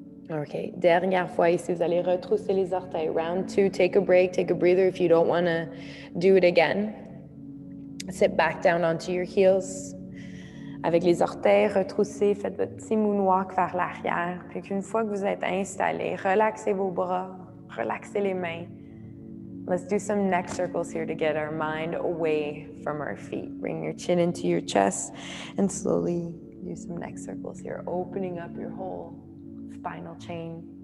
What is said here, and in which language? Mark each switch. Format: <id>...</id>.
<fr>Okay, dernière fois ici, vous allez retrousser les orteils.</fr> <en>Round two, take a break, take a breather if you don't want to do it again. Sit back down onto your heels.</en> <fr>Avec les orteils retroussés, faites votre petit moonwalk vers l'arrière. Puis qu'une fois que vous êtes installé, relaxez vos bras, relaxez les mains.</fr> <en>Let's do some neck circles here to get our mind away from our feet. Bring your chin into your chest and slowly do some neck circles here, opening up your whole spinal chain.</en>